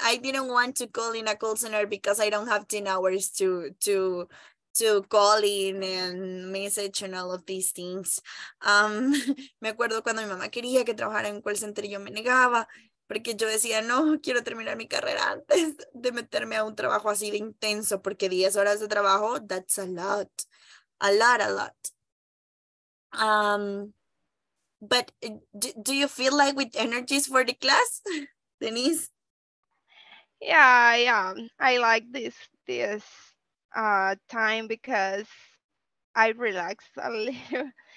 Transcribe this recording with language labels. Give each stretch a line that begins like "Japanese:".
English: I didn't want to call in a call center because I don't have 10 hours to call in and message and all of these things.
Spanish: Me acuerdo cuando mi mamá quería que trabajara en call center y yo me negaba porque yo decía, no, quiero terminar mi carrera antes de meterme a un trabajo así de intenso, porque 10 horas de trabajo,
English: that's a lot. A lot, a lot. But do you feel like with energies for the class, Denise? Yeah, yeah. I like this time because I relax a little.